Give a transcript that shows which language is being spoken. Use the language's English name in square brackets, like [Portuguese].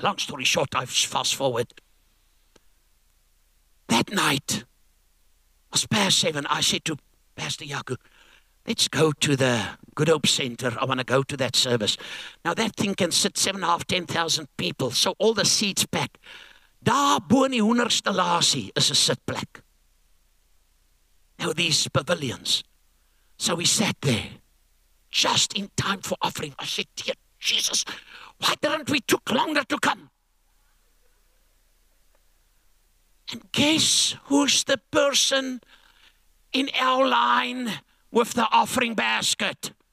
[English] Long story short, I fast forward. That night, it was past 7, I said to Pastor Yaku, let's go to the Good Hope Center. I want to go to that service. Now that thing can sit 7,500 people, so all the seats packed. [Afrikaans] Daar bo in die hoenderste laasie is 'n sitplek. [English] Now these pavilions. So we sat there. Just in time for offering. I said, dear Jesus, why didn't we took longer to come? And guess who's the person in our line with the offering basket?